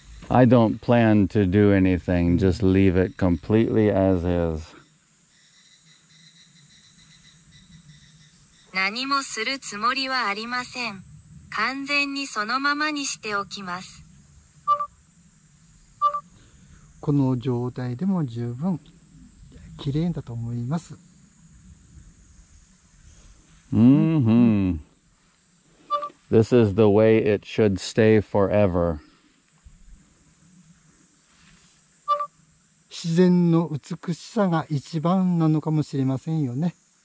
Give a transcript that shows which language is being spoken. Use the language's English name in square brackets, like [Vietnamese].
[English] I don't plan to do anything. Just leave it completely as is. [Japanese] 何もするつもりはありません。完全にそのままにしておきます。この状態でも十分綺麗だと思います。 Mm-hmm. [English] This is the way it should stay forever. [Japanese] 自然の美しさが一番なのかもしれませんよね。